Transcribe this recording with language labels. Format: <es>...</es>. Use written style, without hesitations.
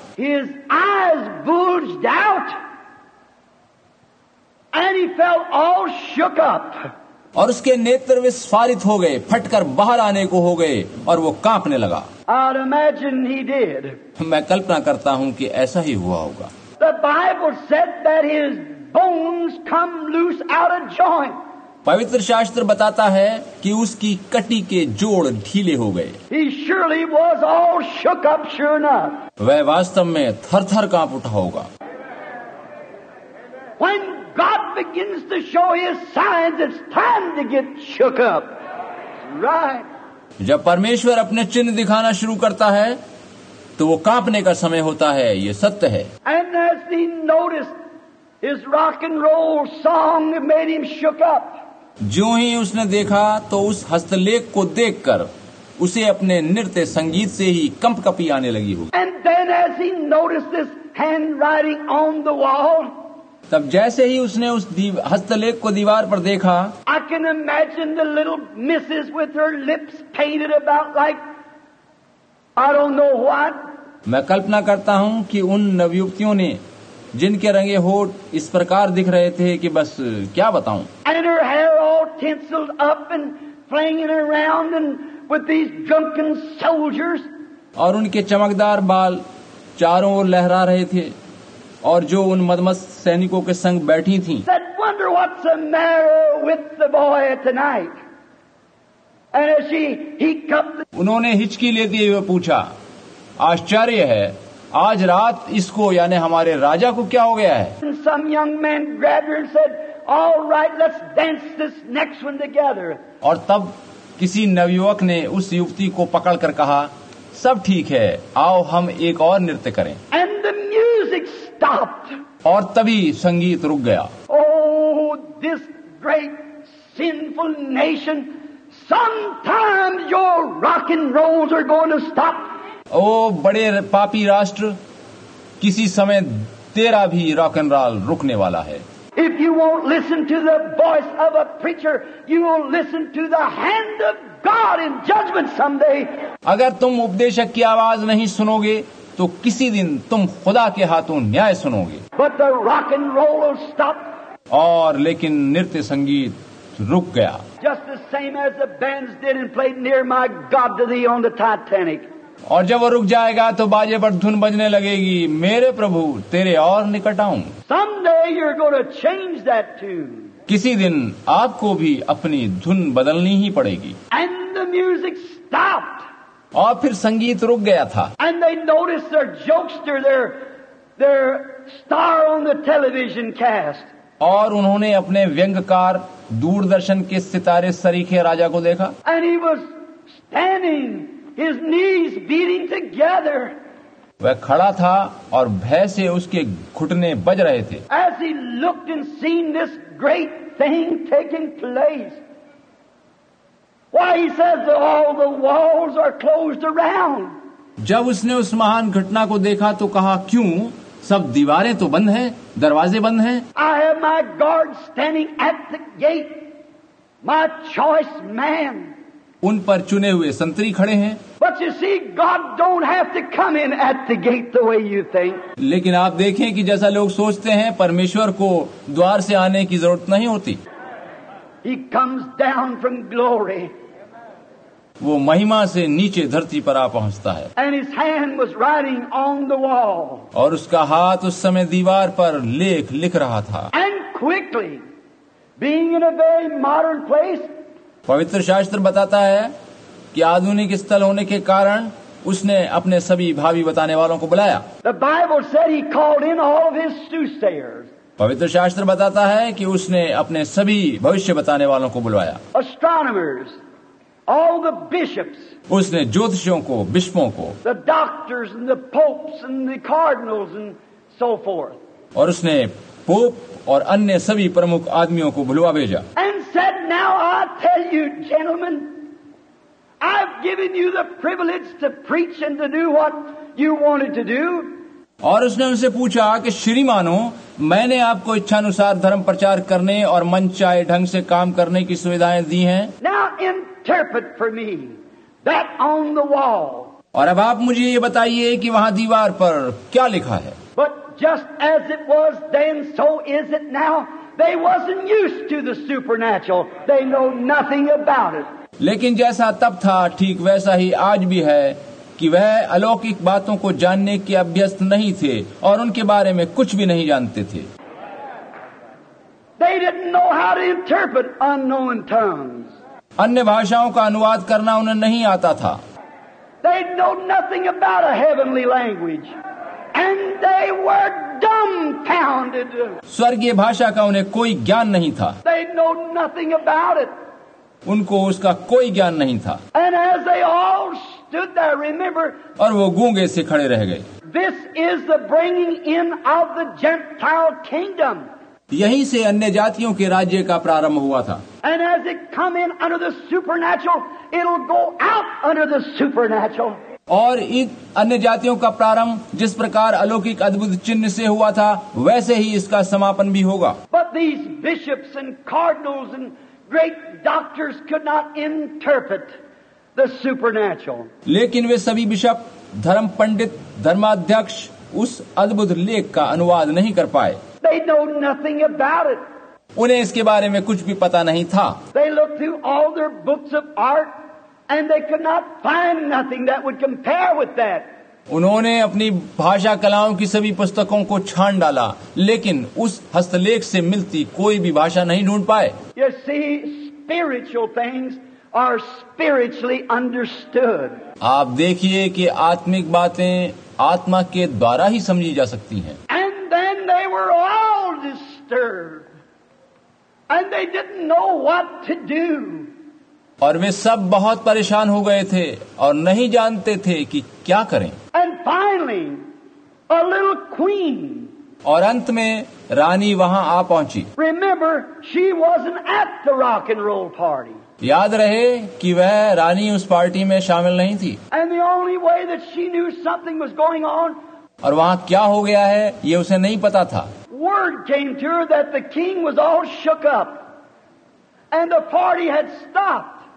<en>His eyes bulged out and he felt all shook up.</en> <hi>और उसके नेत्र विस्फारित हो गए, फटकर बाहर आने को हो गए और वो कांपने लगा.</hi> <en>I'd imagine he did.</en> <hi>मैं कल्पना करता हूँ कि ऐसा ही हुआ होगा.</hi> <en>The Bible said that his bones come loose out of joint.</en> <hi>पवित्र शास्त्र बताता है कि उसकी कटी के जोड़ ढीले हो गए.</hi> <en>He surely was all shook up, sure enough.</en> <hi>वह वास्तव में थर-थर कांप उठा होगा.</hi> <en>When God begins to show His signs, it's time to get shook up. Right.</en> <hi>जब परमेश्वर अपने चिन्ह दिखाना शुरू करता है तो वो कांपने का समय होता है. ये सत्य है.</hi> <en>And as he noticed, his rock and roll song made him shook up.</en> <hi>जो ही उसने देखा तो उस हस्तलेख को देखकर उसे अपने नृत्य संगीत से ही कंप कपी आने लगी होगी.</hi> <en>And then as he noticed this handwriting on the wall,</en> <hi>तब जैसे ही उसने उस हस्तलेख को दीवार पर देखा,</hi> <en>I can imagine the little missus with her lips painted about like I don't know what.</en> <hi>मैं कल्पना करता हूँ कि उन नवयुवतियों ने जिनके रंगे होठ इस प्रकार दिख रहे थे कि बस क्या बताऊं.</hi> <en>And her hair all tinseled up and flinging around and with these drunken soldiers.</en> <hi>और उनके चमकदार बाल चारों ओर लहरा रहे थे और जो उन मदमस्त सैनिकों के संग बैठी थीं.</hi> <en>That wonder what's the matter with the boy tonight? And as he kept.</en> <hi>उन्होंने हिचकी लेते हुए पूछा, आश्चर्य है, आज रात इसको यानी हमारे राजा को क्या हो गया है?</hi> <en>And some young man grabbed her and said, "All right, let's dance this next one together."</en> <hi>और तब किसी नवयुवक ने उस युवती को पकड़कर कहा, सब ठीक है, आओ हम एक और नृत्य करें.</hi> <en>And the music stopped.</en> <hi>और तभी संगीत रुक गया.</hi> <en>Oh, this great sinful nation, sometimes your rock and rolls are going to stop.</en> <hi>ओ बड़े पापी राष्ट्र, किसी समय तेरा भी रॉक एंड रोल रुकने वाला है.</hi> <en>If you won't listen to the voice of a preacher, you will listen to the hand of God in judgment someday.</en> <hi>अगर तुम उपदेशक की आवाज नहीं सुनोगे तो किसी दिन तुम खुदा के हाथों न्याय सुनोगे.</hi> <en>But the rock and roll will stop.</en> <hi>और लेकिन नृत्य संगीत रुक गया.</hi> <en>Just the same as the bands did and played "Near My God to Thee" on the Titanic.</en> <hi>और जब वो रुक जाएगा तो बाजे पर धुन बजने लगेगी, मेरे प्रभु तेरे और निकट आऊं.</hi> <en>Someday you're going to change that tune.</en> <hi>किसी दिन आपको भी अपनी धुन बदलनी ही पड़ेगी.</hi> <en>And the music stopped.</en> <hi>और फिर संगीत रुक गया था.</hi> <en>And they noticed their jokester, their star on the television cast.</en> <hi>और उन्होंने अपने व्यंगकार दूरदर्शन के सितारे सरीखे राजा को देखा.</hi> <en>And he was standing. His knees beating together.</en> <hi>वह खड़ा था और भय से उसके घुटने बज रहे थे.</hi> <en>As he looked and seen this great thing taking place, why he says that all the walls are closed around.</en> <hi>जब उसने उस महान घटना को देखा तो कहा, क्यों सब दीवारें तो बंद हैं, दरवाजे बंद हैं?</hi> <en>I have my guard standing at the gate, my choice man.</en> <hi>उन पर चुने हुए संतरी खड़े हैं.</hi> <en>But you see, God don't have to come in at the gate the way you think.</en> <hi>लेकिन आप देखें कि जैसा लोग सोचते हैं, परमेश्वर को द्वार से आने की जरूरत नहीं होती.</hi> <en>He comes down from glory.</en> <hi>वो महिमा से नीचे धरती पर आ पहुंचता है.</hi> <en>And his hand was writing on the wall.</en> <hi>और उसका हाथ उस समय दीवार पर लेख लिख रहा था.</hi> <en>And quickly, being in a very modern place.</en> <hi>पवित्र शास्त्र बताता है कि आधुनिक स्थल होने के कारण उसने अपने सभी भावी बताने वालों को बुलाया.</hi> <en>The Bible said he called in all of his soothsayers.</en> <hi>पवित्र शास्त्र बताता है कि उसने अपने सभी भविष्य बताने वालों को बुलवाया.</hi> <en>Astronomers, all the bishops.</en> <hi>उसने ज्योतिषियों को, बिशपों को.</hi> <en>The doctors and the popes and the cardinals and so forth.</en> <hi>और उसने पोप और अन्य सभी प्रमुख आदमियों को बुलवा भेजा.</hi> <en>And said, "Now I tell you, gentlemen, I've given you the privilege to preach and to do what you wanted to do."</en> <hi>और उसने उनसे पूछा कि श्रीमानों, मैंने आपको इच्छानुसार धर्म प्रचार करने और मनचाहे ढंग से काम करने की सुविधाएं दी हैं.</hi> <en>Now interpret for me that on the wall.</en> <hi>और अब आप मुझे ये बताइए कि वहाँ दीवार पर क्या लिखा है.</hi> <en>But just as it was then, so is it now. They wasn't used to the supernatural. They know nothing about it.</en> <hi>लेकिन जैसा तब था, ठीक वैसा ही आज भी है. कि वह अलौकिक बातों को जानने के अभ्यस्त नहीं थे और उनके बारे में कुछ भी नहीं जानते थे.</hi> <en>They didn't know how to interpret unknown tongues.</en> <hi>अन्य भाषाओं का अनुवाद करना उन्हें नहीं आता था.</hi> <en>They know nothing about a heavenly language, and they were dumbfounded.</en> <hi>स्वर्गीय भाषा का उन्हें कोई ज्ञान नहीं था.</hi> <en>They know nothing about it.</en> <hi>उनको उसका कोई ज्ञान नहीं था.</hi> <en>And as they all stood there, remember.</en> <hi>और वो गूंगे से खड़े रह गए.</hi> <en>This is the bringing in of the Gentile kingdom.</en> <hi>यहीं से अन्य जातियों के राज्य का प्रारंभ हुआ था.</hi> <en>And as it come in under the supernatural, it'll go out under the supernatural.</en> <hi>और इन अन्य जातियों का प्रारंभ जिस प्रकार अलौकिक अद्भुत चिन्ह से हुआ था, वैसे ही इसका समापन भी होगा.</hi> <en>But these bishops and cardinals and great doctors could not interpret the supernatural.</en> <hi>लेकिन वे सभी बिशप, धर्म पंडित, धर्माध्यक्ष उस अद्भुत लेख का अनुवाद नहीं कर पाए.</hi> <en>They know nothing about it.</en> <hi>उन्हें इसके बारे में कुछ भी पता नहीं था.</hi> <en>They looked through all their books of art and they could not find nothing that would compare with that.</en> <hi>उन्होंने अपनी भाषा कलाओं की सभी पुस्तकों को छान डाला, लेकिन उस हस्तलेख से मिलती कोई भी भाषा नहीं ढूंढ पाए.</hi> <en>You see, spiritual things are spiritually understood.</en> <hi>आप देखिए कि आत्मिक बातें आत्मा के द्वारा ही समझी जा सकती हैं.</hi> <en>And then they were all disturbed. And they didn't know what to do.</en> <hi>और वे सब बहुत परेशान हो गए थे और नहीं जानते थे कि क्या करें.</hi> <en>And finally, a little queen.</en> <hi>और अंत में रानी वहाँ आ पहुँची.</hi> <en>Remember, she wasn't at the rock and roll party.</en> <hi>याद रहे कि वह रानी उस पार्टी में शामिल नहीं थी.</hi> <en>And the only way that she knew something was going on.</en> <hi>और वहाँ क्या हो गया है ये उसे नहीं पता था.</hi> <en>Word came to her that the king was all shook up and the party had stopped.</en>